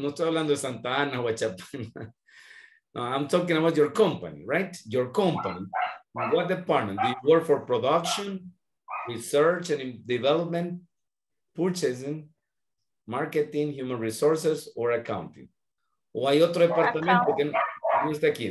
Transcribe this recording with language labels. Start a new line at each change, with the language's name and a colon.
Spanish: No estoy hablando de Santa Ana o Chapana.
English: No, I'm talking about your company, right? Your company. What department? Do you work for production, research and development, purchasing, marketing, human resources, or accounting?
Spanish: O hay otro departamento que no está aquí.